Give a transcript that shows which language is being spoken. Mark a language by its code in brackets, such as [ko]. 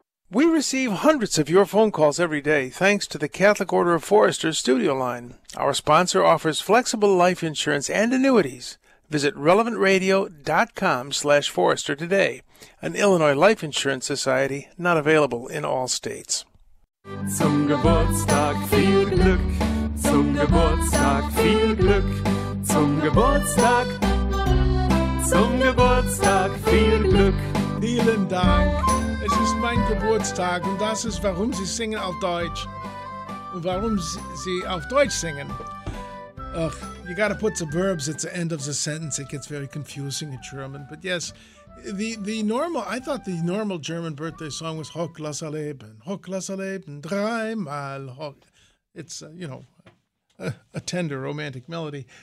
[en] We receive hundreds of your phone calls every day thanks to the Catholic Order of Foresters studio line. Our sponsor offers flexible life insurance and annuities. Visit relevantradio.com/Forester today. An Illinois Life Insurance Society, not available in all states. [de] Zum Geburtstag viel Glück, zum Geburtstag viel Glück, zum Geburtstag, zum Geburtstag viel Glück. Vielen Dank. Es ist mein Geburtstag und das ist, warum Sie singen auf Deutsch. Und warum Sie auf Deutsch singen. [en] Ugh, you got to put the verbs at the end of the sentence. It gets very confusing in German. But yes, I thought the normal German birthday song was [de] Hoch lass erleben, dreimal hoch. [en] It's, a tender romantic melody.